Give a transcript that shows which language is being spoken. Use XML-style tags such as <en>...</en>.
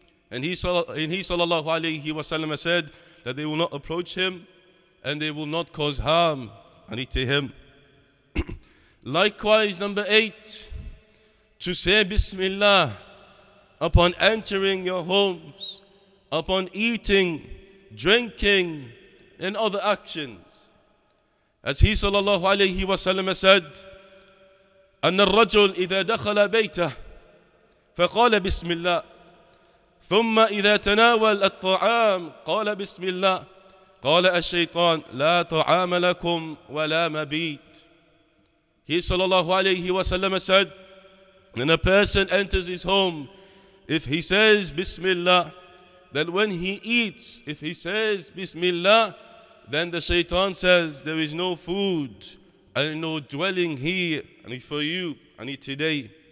<en>And he sallallahu alayhi wa sallam said that they will not approach him and they will not cause harm to him. Likewise, number 8, to say Bismillah upon entering your homes, upon eating, drinking, and other actions. As he sallallahu alayhi wa sallam said,</en> <ar>أَنَّ الرَّجُلْ إِذَا دَخَلَ بَيْتَهِ فَقَالَ بِسْمِ اللَّهِ ثم إذا تناول الطعام قال بسم الله قال الشيطان لا طعام لكم ولا مبيت.</ar> <en>He sallallahu alayhi wa sallam said, when a person enters his home, if he says Bismillah, then when he eats, if he says Bismillah, then the shaitan says, there is no food and no dwelling here for you today.</en>